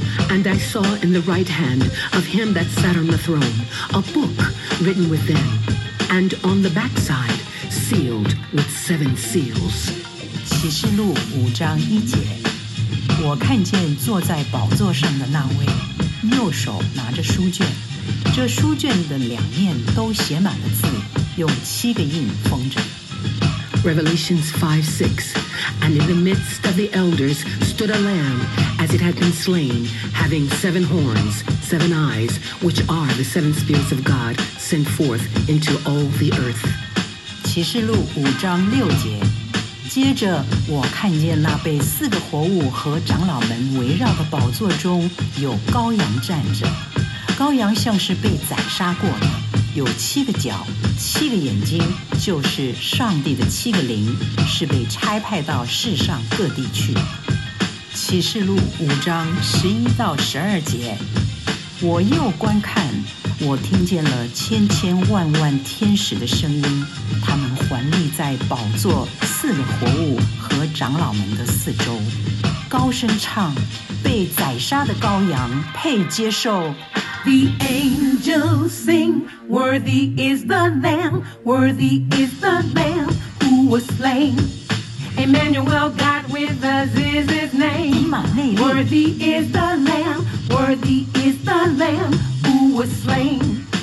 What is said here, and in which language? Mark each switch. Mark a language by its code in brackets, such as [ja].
[en] And I saw in the right hand of him that sat on the throne a book written within, and on the backside sealed with seven seals. [zh] 启示录5:1. 我看见坐在宝座上的那位右手拿着书卷。 [en] Revelations 5:6, and in the midst of the elders stood a lamb as it had been slain, having seven horns, seven eyes, which are the seven spirits of God sent forth into all the earth. [zh] 启示录5:6. 接着我看见那被四个活物和长老们围绕的宝座中有羔羊站着。羔羊像是被宰杀过的，有七个角，七个眼睛，就是上帝的七个灵，是被差派到世上各地去的。启示录五章十一到十二节，我又观看，我听见了千千万万天使的声音，他们环立在宝座四个活物和长老们的四周，高声唱，被宰杀的羔羊配接受。 [en] The angels sing, worthy is the Lamb, worthy is the Lamb who was slain. Emmanuel, God with us is his name. Worthy is the Lamb, worthy is the Lamb who was slain.